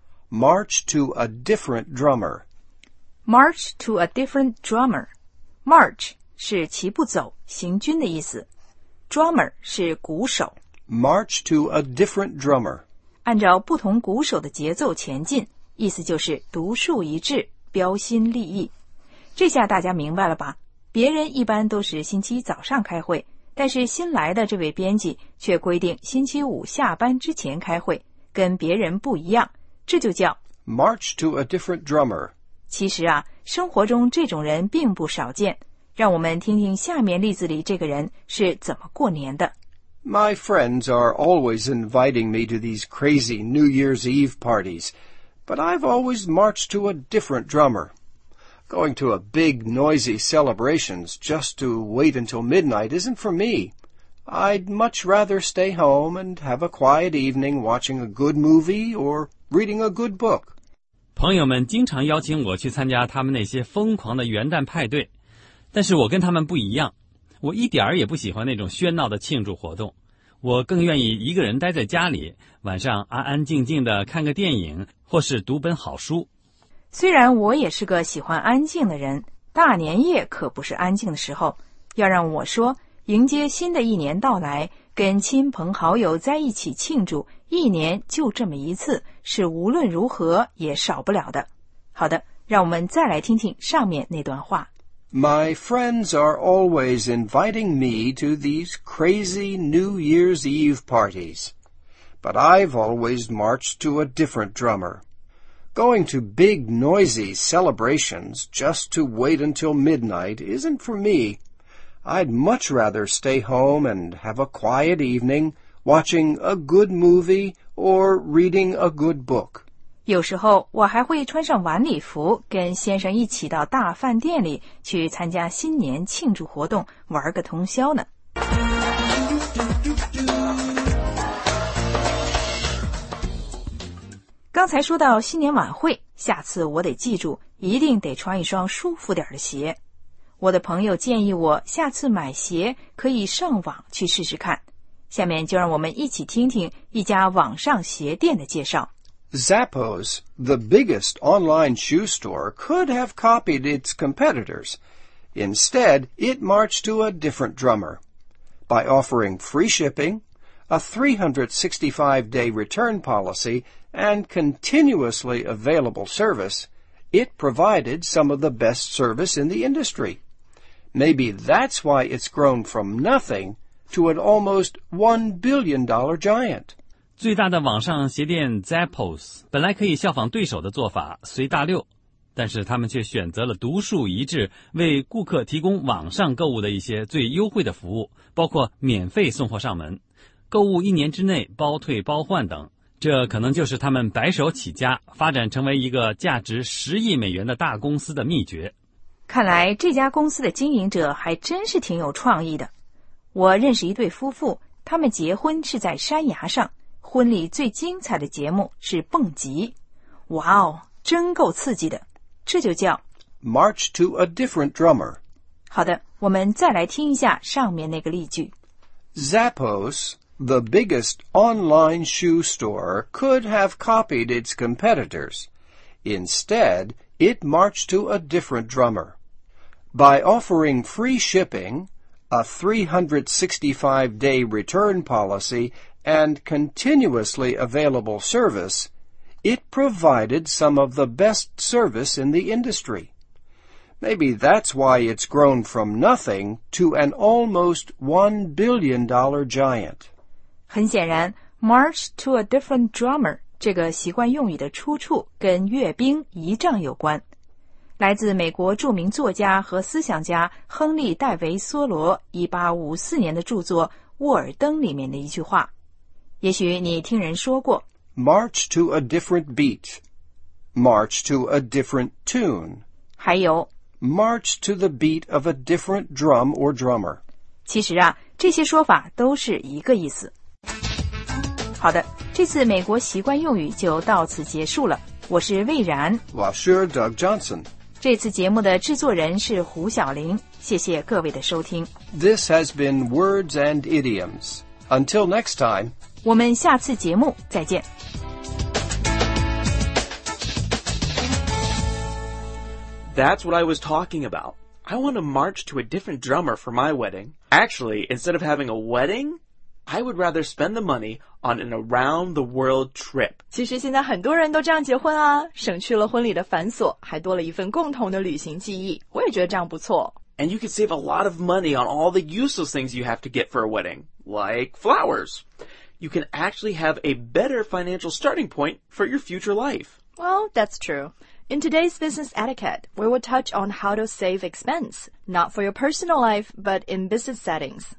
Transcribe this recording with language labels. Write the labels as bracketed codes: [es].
[en] March to a different drummer. March to a different drummer. [zh] March是齐步走、行军的意思。Drummer 是鼓手。 [en] March to a different drummer. [zh] 按照不同鼓手的节奏前进，意思就是独树一帜、标新立异。这下大家明白了吧？别人一般都是星期早上开会，但是新来的这位编辑却规定星期五下班之前开会，跟别人不一样，这就叫 [en] March to a different drummer. [zh] 其实啊，生活中这种人并不少见。让我们听听下面例子里这个人是怎么过年的。 [en] My friends are always inviting me to these crazy New Year's Eve parties, but I've always marched to a different drummer. Going to a big noisy celebrations just to wait until midnight isn't for me. I'd much rather stay home and have a quiet evening watching a good movie or reading a good book. [zh] 朋友们经常邀请我去参加他们那些疯狂的元旦派对。但是我跟他们不一样，我一点儿也不喜欢那种喧闹的庆祝活动，我更愿意一个人待在家里，晚上安安静静地看个电影或是读本好书。虽然我也是个喜欢安静的人，大年夜可不是安静的时候，要让我说迎接新的一年到来，跟亲朋好友在一起庆祝一年就这么一次，是无论如何也少不了的。好的，让我们再来听听上面那段话。 [en] My friends are always inviting me to these crazy New Year's Eve parties. But I've always marched to a different drummer. Going to big, noisy celebrations just to wait until midnight isn't for me. I'd much rather stay home and have a quiet evening, watching a good movie or reading a good book. [zh] 有时候我还会穿上晚礼服跟先生一起到大饭店里去参加新年庆祝活动玩个通宵呢。刚才说到新年晚会，下次我得记住一定得穿一双舒服点的鞋。我的朋友建议我下次买鞋可以上网去试试看。下面就让我们一起听听一家网上鞋店的介绍。 [en] Zappos, the biggest online shoe store, could have copied its competitors. Instead, it marched to a different drummer. By offering free shipping, a 365-day return policy, and continuously available service, it provided some of the best service in the industry. Maybe that's why it's grown from nothing to an almost $1 billion giant. [zh] 最大的网上鞋店 Zappos 本来可以效仿对手的做法随大溜，但是他们却选择了独树一帜，为顾客提供网上购物的一些最优惠的服务，包括免费送货上门、购物一年之内包退包换等。这可能就是他们白手起家发展成为一个价值10亿美元的大公司的秘诀。看来这家公司的经营者还真是挺有创意的。我认识一对夫妇，他们结婚是在山崖上，婚礼最精彩的节目是蹦极。哇哦，真够刺激的。这就叫 [en] March to a different drummer. [zh] 好的，我们再来听一下上面那个例句。 [en] Zappos, the biggest online shoe store, could have copied its competitors. Instead, it marched to a different drummer. By offering free shipping, a 365-day return policy,and continuously available service, it provided some of the best service in the industry. Maybe that's why it's grown from nothing to an almost $1 billion giant. [zh] 很显然 , [en] march to a different drummer, [zh] 这个习惯用语的出处跟阅兵仪仗有关。来自美国著名作家和思想家亨利·戴维·梭罗1854年的著作《沃尔登》里面的一句话。也许你听人说过 [en] March to a different beat, March to a different tune, [zh] 还有 [en] March to the beat of a different drum or drummer. [zh] 其实啊，这些说法都是一个意思。好的，这次美国习惯用语就到此结束了。我是魏然，老师 Doug Johnson。这次节目的制作人是胡晓玲，谢谢各位的收听。 [en] This has been Words and Idioms. Until next time. [zh] 我们下次节目再见。 [en] That's what I was talking about. I want to march to a different drummer for my wedding. Actually, instead of having a wedding, I would rather spend the money on an around-the-world trip. [zh] 其实现在很多人都这样结婚啊，省去了婚礼的繁琐，还多了一份共同的旅行记忆。我也觉得这样不错。 [en] And you can save a lot of money on all the useless things you have to get for a wedding, like flowers. You can actually have a better financial starting point for your future life. Well, that's true. In today's business etiquette, we will touch on how to save expense, not for your personal life, but in business settings.